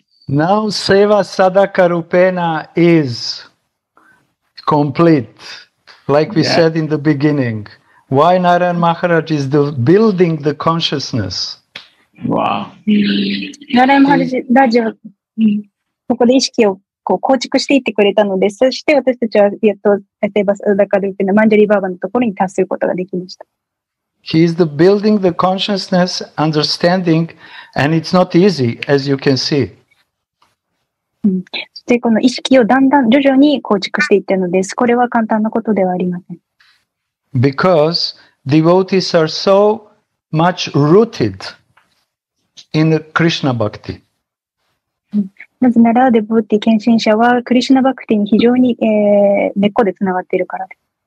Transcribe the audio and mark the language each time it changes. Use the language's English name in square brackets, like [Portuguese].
[English] Now Seva Sadaka Rupena is complete, like we said in the beginning. Why Narayan Maharaj is the building the consciousness? Wow. [Japanese] Narayan Maharaj はここで意識をこう構築していってくれたので、そして私たちはやっとセバサダカルペナマンジャリバーバのところに達することができました。 [English] He is the building the consciousness understanding, and it's not easy, as you can see. [Japanese] そしてこの意識をだんだん徐々に構築していったのです。これは簡単なことではありません。 [English] Because devotees are so much rooted in Krishna Bhakti. [Japanese] なぜなら、デボーティ献身者はクリシュナ・バクティに非常に、根っこでつながっているからです。